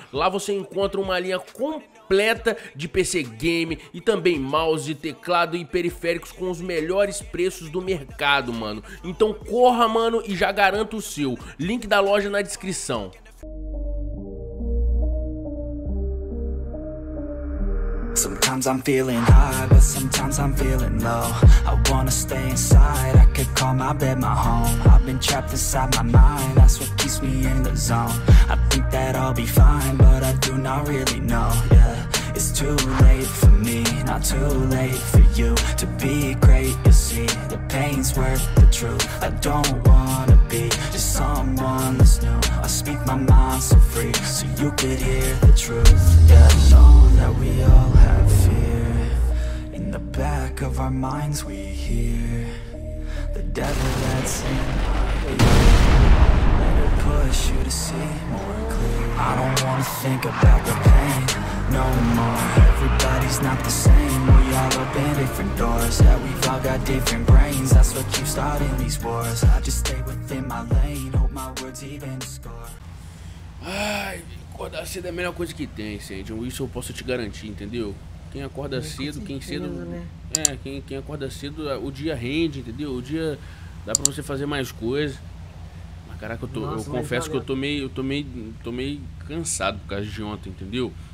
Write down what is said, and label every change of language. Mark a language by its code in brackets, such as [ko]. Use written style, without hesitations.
[pt] Lá você encontra uma linha completa de PC game e também mouse, teclado e periféricos com os melhores preços do mercado, mano. Então corra, mano, e já garanta o seu. Link da loja na descrição. [en] Sometimes I'm feeling high, but sometimes I'm feeling low. I wanna stay inside, I could call my bed my home. I've been trapped inside my mind, that's what keeps me in the zone. I think that I'll be fine, but I do not really know. Yeah, it's too late for me, not too late for you. To be great, you see, the pain's worth the truth. I don't wanna be just someone that's new. I speak my mind so free, so you could hear the truth. Yeah, I know that we all have fear. In the back of our minds we hear the devil that's in our ear. Let it push you to see more clear. I don't wanna think about the pain no more. Everybody's not the same. We all open different doors. Yeah, we've all got different brains. That's what keeps starting these wars. I just stay within my lane. Hope my words even score. [pt] Ai, acordar cedo é a melhor coisa que tem, gente. Isso eu posso te garantir, entendeu? Quem acorda cedo, quem cedo. É, quem acorda cedo, o dia rende, entendeu? O dia dá pra você fazer mais coisas. Mas caraca, eu confesso que eu tô meio cansado por causa de ontem, entendeu?